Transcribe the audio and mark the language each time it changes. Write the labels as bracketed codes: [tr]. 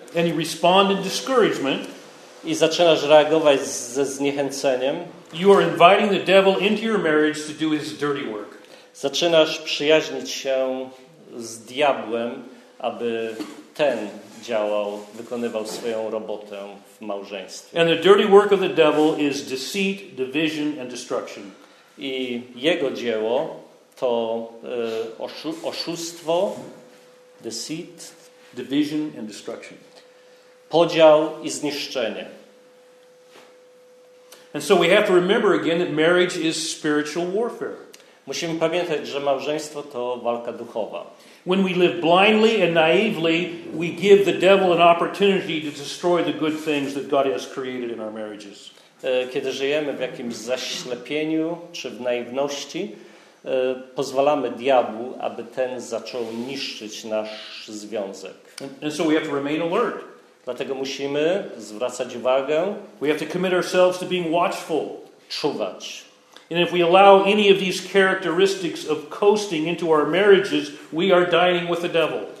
[en] and you respond in discouragement, [pl] i zaczynasz reagować ze zniechęceniem, [en] you are inviting the devil into your marriage to do his dirty work. [pl] Zaczynasz przyjaźnić się z diabłem, aby ten działał, wykonywał swoją robotę w małżeństwie. [en] And the dirty work of the devil is deceit, division and destruction. [pl] I jego dzieło to oszustwo, deceit, [en] division and destruction. [pl] Podział i zniszczenie. [en] And so we have to remember again that marriage is spiritual warfare. [pl] Musimy pamiętać, że małżeństwo to walka duchowa. [en] When we live blindly and naively, we give the devil an opportunity to destroy the good things that God has created in our marriages. [pl] Kiedy żyjemy w jakimś zaślepieniu czy w naiwności, pozwalamy diabłu, aby ten zaczął niszczyć nasz związek. [en] And so we have to remain alert. [pl] Dlatego musimy zwracać uwagę. [en] We have to commit ourselves to being watchful. [pl] Czuwać. [en] And if we allow any of these characteristics of coasting into our marriages, we are dining with the devil.